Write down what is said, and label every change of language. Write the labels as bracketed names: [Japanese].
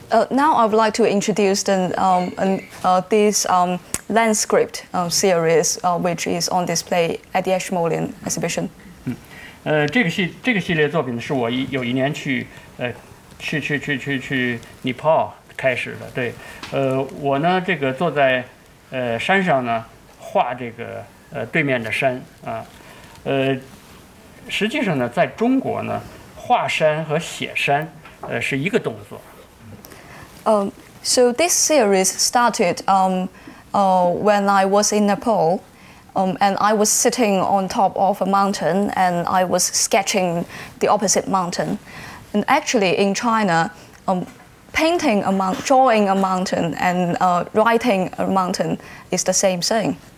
[English] Now I would like to introduce the this landscript series which is on display at the Ashmolean exhibition. [Chinese] 这个系列作品是我有一年去 Nepal 开始的，对，我呢这个坐在山上呢画这个对面的山啊，实际上呢，在中国呢，画山和写山，是一个动作。 [English] So this series started when I was in Nepal, and I was sitting on top of a mountain, and I was sketching the opposite mountain. And actually, in China, painting a mountain, drawing a mountain, and writing a mountain is the same thing.